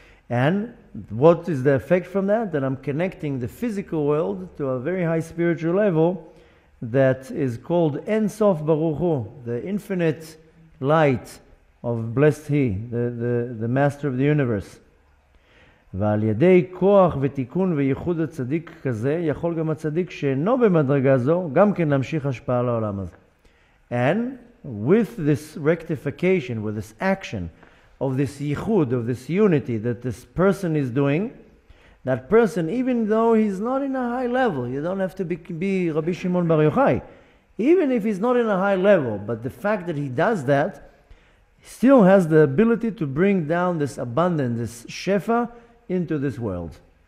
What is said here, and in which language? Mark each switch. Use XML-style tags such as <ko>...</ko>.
<en>And what is the effect from that? That I'm connecting the physical world to a very high spiritual level that is called Ein Sof Baruch Hu, the infinite light of blessed He, the Master of the Universe.</en> <he>ועל ידי כוח ותיקון וייחוד הצדיק כזה, יכול גם הצדיק שאינו במדרגה זו, גם כן להמשיך השפעה לעולם הזה.</he> <en>And with this rectification, with this action of this yichud, of this unity that this person is doing, that person, even though he's not in a high level, you don't have to be Rabbi Shimon Bar Yochai, even if he's not in a high level, but the fact that he does that, still has the ability to bring down this abundance, this shefa, into this world.</en>